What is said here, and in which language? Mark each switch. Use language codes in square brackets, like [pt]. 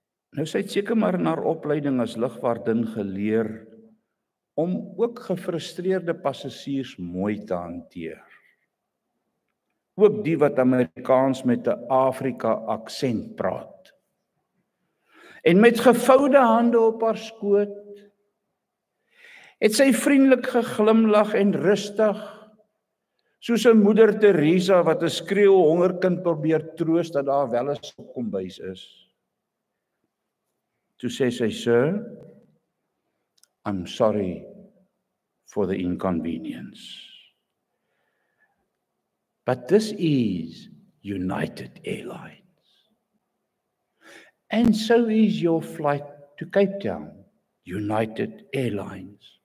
[af] Nou, sy het seker maar in haar opleiding as lugwaardin geleer om ook gefrustreerde passasiers mooi te hanteer. Ook die wat Amerikaans met 'n Afrika-aksent praat. En met gevoude hande op haar skoot, het sy vriendelik geglimlag en rustig, soos 'n moeder Teresa wat 'n skreeu hongerkind probeer troos dat daar wel 'n kombuis is. Toe sê sy, [en] "Sir, I'm sorry for the inconvenience. But this is United Airlines. And so is your flight to Cape Town, United Airlines.